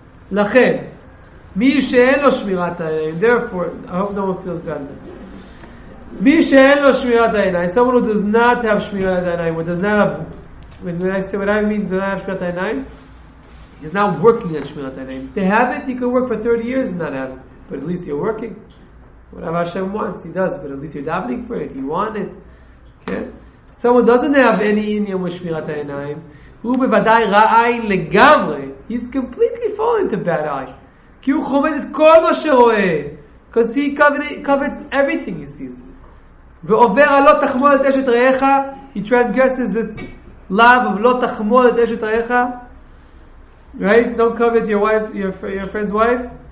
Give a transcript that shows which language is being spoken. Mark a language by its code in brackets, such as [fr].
[en] לכן מי שאין לו שמירת העיניים, therefore I hope no one feels bad, מי שאין לו שמירת העיניים, someone who does not have שמירת העיניים, what does not have, when I say what I mean, does not have שמירת העיניים, he's not working at שמירת העיניים. To have it, you can work for 30 years and not have it, but at least you're working whatever Hashem wants, he does, but at least you're davening for it, you want it. Okay? [he] Someone doesn't have any עניין with שמירת העיניים, הוא בוודאי רע עין לגמרי. [en] He's completely fallen to bad eye. [he] כי הוא חומד את כל מה שרואה. Because he covets everything he sees. ועובר על לא תחמוד את אשת רעיך. [en] He transgresses this love of לא תחמוד את אשת רעיך. Right? Don't covet your wife, your friend's wife.